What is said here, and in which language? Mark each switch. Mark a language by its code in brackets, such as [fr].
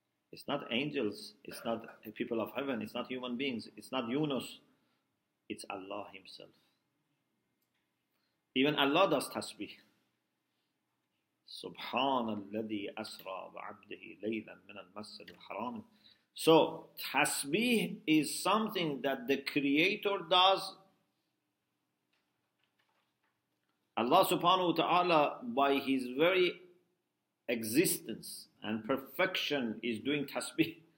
[en] It's not angels, it's not people of heaven, it's not human beings, it's not Yunus, it's Allah Himself. Even Allah does tasbih. [ar] سبحان الذي أسرى بعبده ليلا من المسجد الحرام. [en] So, tasbih is something that the Creator does. Allah subhanahu wa ta'ala, by His very existence and perfection, is doing tasbih.